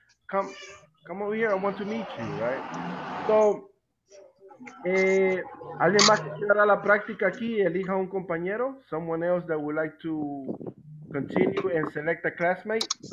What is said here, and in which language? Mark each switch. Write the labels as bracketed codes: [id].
[en] Come over here, I want to meet you, right? [es] So, ¿alguien más que quiera la práctica aquí? Elija un compañero. [en] Someone else that would like to continue and select a classmate.